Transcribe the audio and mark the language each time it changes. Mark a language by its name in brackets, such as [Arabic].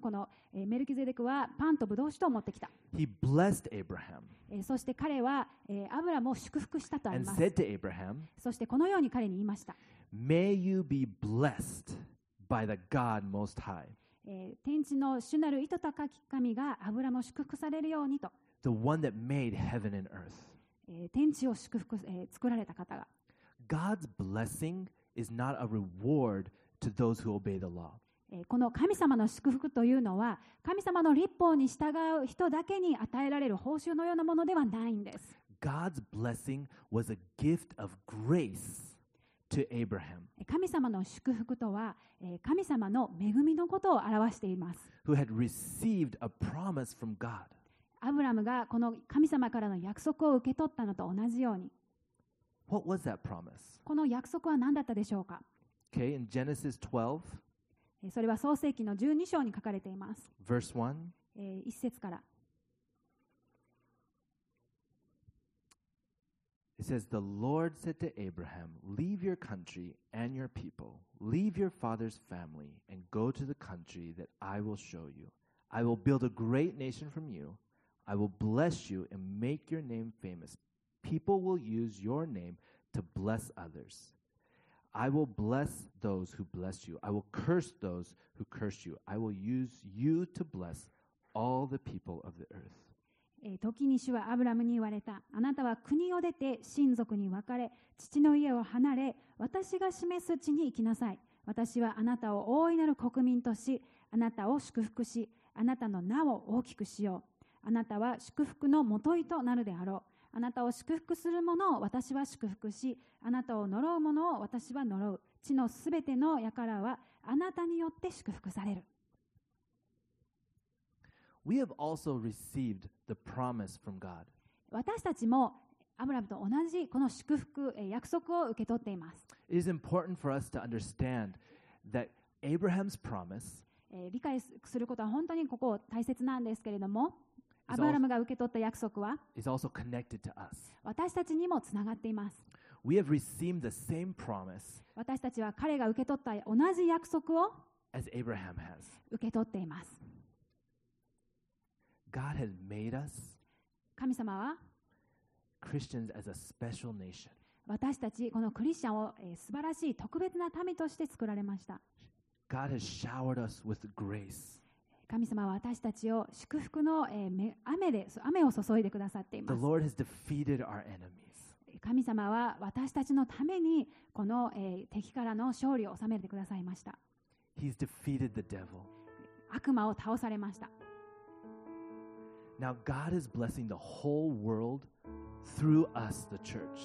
[Japanese] このメルキゼデクはパンとブドウ酒を持ってきた。 [English] He blessed Abraham. [Japanese] そして彼はアブラムを祝福したとあります。 [English] And said to Abraham. [Japanese] そしてこのように彼に言いました。 [English] May you be blessed by the God Most High. [Japanese] 天地の主なる意図高き神がアブラも祝福されるようにと。 [English] The one that made heaven and earth. [Japanese] 天地を祝福、作られた方が。 [English] God's blessing is not a reward to those who obey the law. [Japanese] この神様の祝福というのは、神様の律法に従う人だけに与えられる報酬のようなものではないんです。 [English] God's blessing was a gift of grace. To Abraham, [Japanese] 神様の祝福とは、神様の恵みのことを表しています。 [English] Who had received a promise from God. [Japanese] アブラムがこの神様からの約束を受け取ったのと同じように。 [English] What was that promise? [Japanese] この約束は何だったでしょうか? [English] Okay, in Genesis 12. [Japanese] それは創世記の12章に書かれています。 [English] Verse 1. [Japanese] 1節から。 [English] It says, The Lord said to Abraham, Leave your country and your people, leave your father's family, and go to the country that I will show you. I will build a great nation from you. I will bless you and make your name famous. People will use your name to bless others. I will bless those who bless you. I will curse those who curse you. I will use you to bless all the people of the earth. [Japanese] 時に主はアブラムに言われた。あなたは国を出て親族に別れ、父の家を離れ、私が示す地に行きなさい。私はあなたを大いなる国民とし、あなたを祝福し、あなたの名を大きくしよう。あなたは祝福のもといとなるであろう。あなたを祝福する者を私は祝福し、あなたを呪う者を私は呪う。地のすべての輩はあなたによって祝福される。 [English] We have also received the promise from God. [Japanese] 私たちもアブラムと同じこの祝福、約束を受け取っています。 [English] It is important for us to understand that Abraham's promise. [Japanese] 理解することは本当にここ大切なんですけれども、アブラムが受け取った約束は、 [English] is also connected to us. [Japanese] 私たちにもつながっています。 [English] We have received the same promise. [Japanese] 私たちは彼が受け取った同じ約束を、 [English] as Abraham has. [Japanese] 受け取っています。 [English] God has made us, [Japanese] 神様は [English] Christians as a special nation. [Japanese] 私たちこのクリスチャンを素晴らしい特別な民として作られました。 [English] God has showered us with grace. [Japanese] 神様は私たちを祝福の雨を注いでくださっています。 [English] The Lord has defeated our enemies. [Japanese] 神様は私たちのためにこの敵からの勝利を収めてくださいました。 [English] He's defeated the devil. [Japanese] 悪魔を倒されました。 [English] Now God is blessing the whole world through us, the church.